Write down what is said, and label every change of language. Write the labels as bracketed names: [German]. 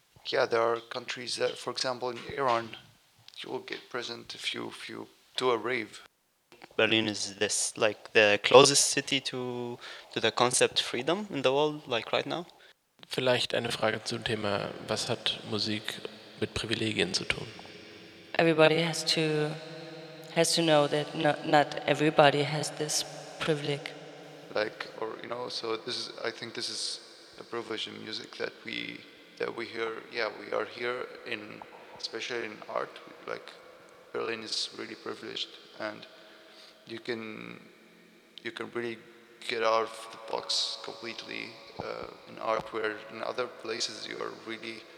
[English] Yeah, there are countries that, for example, in Iran. You will get present if you do a rave. Berlin is this like the closest city to the concept freedom in the world, like right now. [German] Vielleicht eine Frage zum Thema, was hat Musik mit Privilegien zu tun? [English] Everybody has to know that not everybody has this privilege. Like, or you know, so I think this is a privilege in music that we hear. Yeah, we are here in, especially in art. Like Berlin is really privileged, and you can really get out of the box completely in art, where in other places you are really